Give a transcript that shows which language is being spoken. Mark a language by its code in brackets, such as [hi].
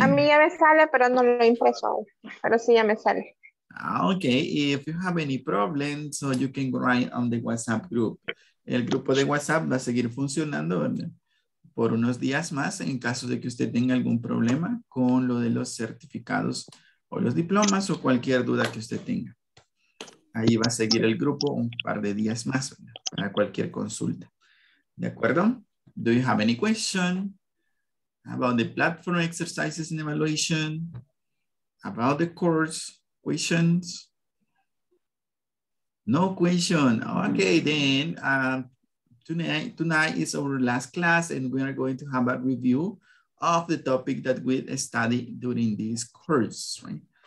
[es] A mí ya me sale, pero no lo he impreso. Pero sí ya me sale. [en] Okay. If you have any problems, so you can write on the WhatsApp group. [es] el grupo de WhatsApp va a seguir funcionando por unos días más en caso de que usted tenga algún problema con lo de los certificados o los diplomas o cualquier duda que usted tenga. Ahí va a seguir el grupo un par de días más para cualquier consulta. ¿De acuerdo? [en] Do you have any question about the platform exercises and evaluation? About the course? Questions? No question. Okay, then tonight is our last class and we are going to have a review of the topic that we studied during this course, right?